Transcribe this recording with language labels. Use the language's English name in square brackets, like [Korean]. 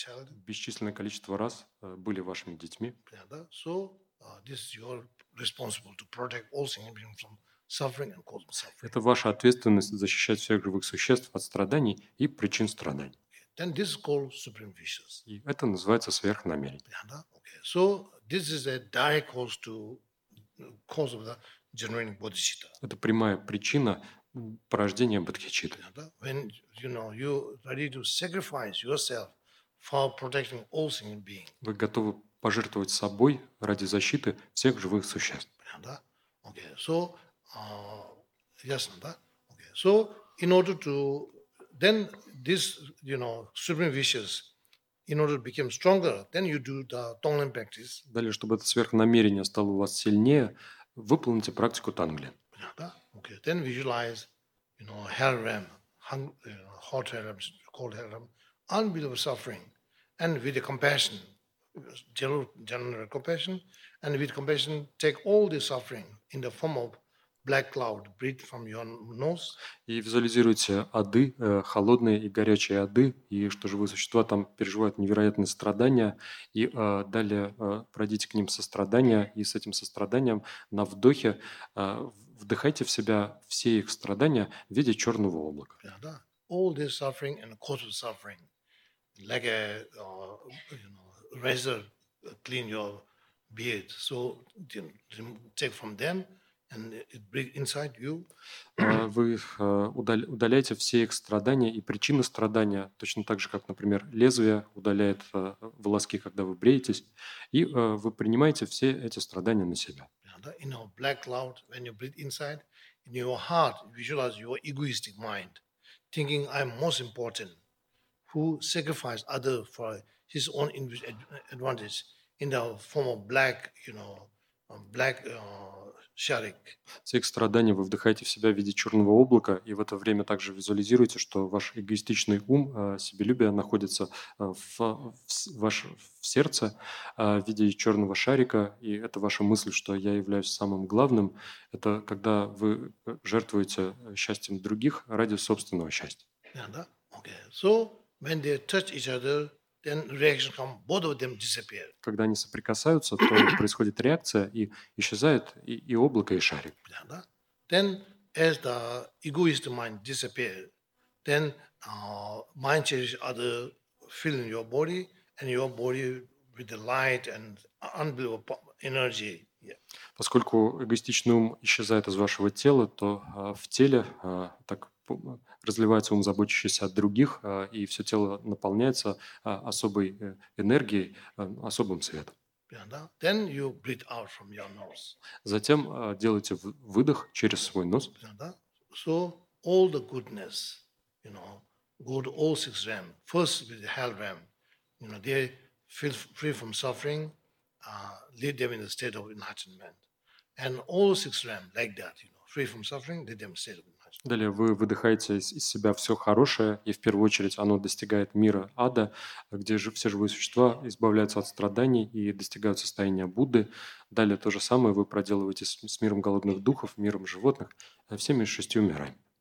[Russian] бесчисленное количество раз были вашими детьми. [English] So, this is your responsible to protect all sentient beings from suffering and cause of suffering. [Russian] Это ваша ответственность защищать всех живых существ от страданий и причин страданий. [English] Then this is called supreme wishes. [Russian] И это называется сверхнамерение. [English] Okay. So this is a direct cause to cause of the generating bodhicitta. [Russian] Это прямая причина порождения бодхичитты. [English] When you know you ready to sacrifice yourself for protecting all sentient beings. [Russian] Вы готовы пожертвовать собой ради защиты всех живых существ. Да? Okay. So, ясно, да? Okay. [English] So, in order to then this, you know, supreme wishes in order to become stronger, then you do the tonglen practice. [Russian] Далее, чтобы это сверхнамерение стало у вас сильнее, выполните практику тонглен. Да? Okay. [English] Then visualize, you know, hell realm, hot hell realm, cold hell realm, unbelievable suffering and with the compassion general compassion, and with compassion, take all the suffering in the form of black cloud, breathe from your nose. [Russian] И визуализируйте ады, холодные и горячие ады, и что живые существа там переживают невероятные страдания, и далее пройдите к ним сострадание, и с этим состраданием на вдохе вдыхайте в себя все их страдания в виде черного облака. [English] All the suffering and the cause of suffering, like a, you know, razor clean your beard, so take from them and it bring inside you. [Russian] Вы удаляете все их страдания и причины страдания, точно так же, как, например, лезвие удаляет волоски, когда вы бреетесь, и вы принимаете все эти страдания на себя. [English] In a black cloud, when you breathe inside, in your heart, visualize your egoistic mind, thinking I'm most important, who sacrificed other for his own advantage in the form of black, you know, black sharik. [Russian] Все их страдания вы вдыхаете в себя в виде черного облака, и в это время также визуализируете, что ваш эгоистичный ум, себелюбие, находится в сердце в виде черного шарика, и это ваша мысль, что я являюсь самым главным. Это когда вы жертвуете счастьем других ради собственного счастья. Yeah, да? Okay. [English] So, when they touch each other, then reaction come, both of them disappear. [Russian] Когда они соприкасаются, то происходит реакция, и исчезает и облако, и шарик. Yeah, да? [English] Then, as the egoist mind disappears, then mind changes other feeling your body, and your body with the light and unbelievable energy. Yeah. [Russian] Поскольку эгоистичный ум исчезает из вашего тела, то в теле так разливается ум, заботящийся о других, и все тело наполняется особой энергией, особым светом. [English] Then you breathe out from your nose. [Russian] Затем делайте выдох через свой нос. [English] So all the goodness, you know, go to all six realm. First with the hell realm, you know, they feel free from suffering, lead them in a state of enlightenment. And all six realm like that, you know, free from suffering, lead them in a state of enlightenment. [Russian] Далее вы выдыхаете из себя все хорошее, и в первую очередь оно достигает мира ада, где же все живые существа избавляются от страданий и достигают состояния Будды. Далее то же самое вы проделываете с миром голодных духов, миром животных, всеми шестью мирами.